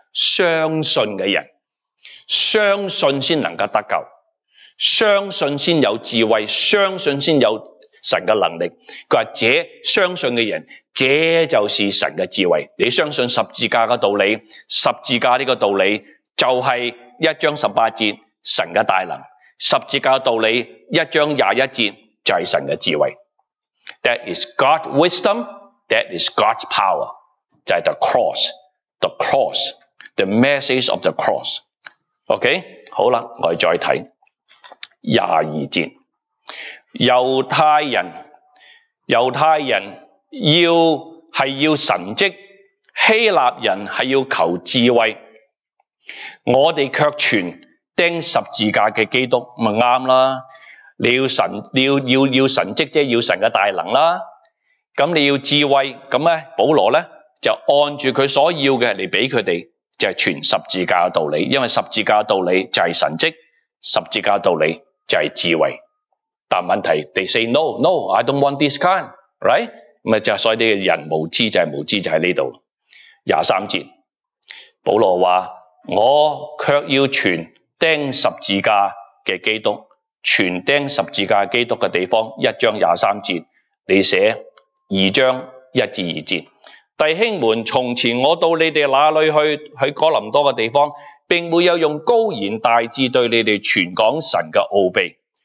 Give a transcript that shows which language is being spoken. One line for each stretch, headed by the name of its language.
Chinese: 相信的人，相信才能够得救，相信先有智慧，相信先有神的能力。他说这相信的人，这就是神的智慧。你相信十字架的道理，十字架这个道理就是一章十八节神的大能，十字架的道理一章二十一节就是神的智慧。
English: That is God's wisdom, that is God's power,
Chinese: 就是
English: the cross, the message of the cross.
Chinese: OK, 好了，我再看22节，犹太人是要神迹，希腊人是要求智慧，我们却传钉十字架的基督，不是对了？你要神迹，即要神的大能啦。那你要智慧，那保罗呢就按住他所要的来给他们，就是传十字架的道理，因为十字架的道理就是神迹，十字架的道理就是智慧。但问题
English: they say no, I don't want this kind, right?
Chinese: 就所以这个人无知，就是无知，就在这里。23节，保罗说我却要传钉十字架的基督，传钉十字架基督的地方，一章23节，你写二章一至二节，弟兄们，从前我到你们那里去，去哥林多的地方，并没有用高言大志对你们传讲神的奥秘。